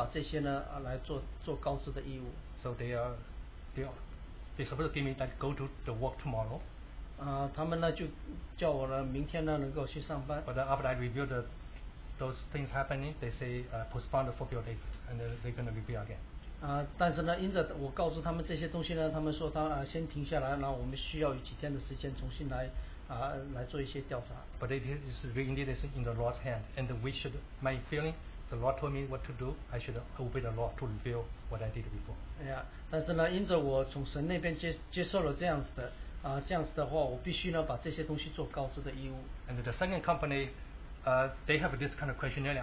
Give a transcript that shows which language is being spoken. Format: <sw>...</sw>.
<zh>但是呢，我有这样子的负担呢，我必须呢把这些呢来做告知的义务。</zh> <en>So they supposed to give me that go to the work tomorrow.</en> <zh>他们呢就叫我呢明天呢能够去上班。</zh> <en>But after I review those things happening, they say postpone the fulfill days, and they're going to review again.</en> <zh>但是呢，因着我告知他们这些东西呢，他们说他先停下来，那我们需要有几天的时间重新来。</zh> <en>But it is really this in the Lord's hand, and we should. My feeling, the Lord told me what to do. I should obey the Lord to reveal what I did before.</en> <zh>Yeah, 但是呢，因着我从神那边接受了这样子的话，我必须呢把这些东西做告知的义务。</zh> <en>And the second company, they have this kind of questionnaire.</en>